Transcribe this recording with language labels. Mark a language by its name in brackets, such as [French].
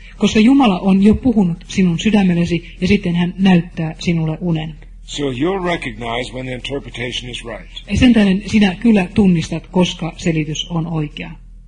[Finnish] Koska Jumala on jo puhunut sinun sydämellesi ja sitten hän näyttää sinulle unen. [English] So you'll recognize when the interpretation is right. [Finnish] Sen tähden sinä kyllä tunnistat, koska selitys on oikea.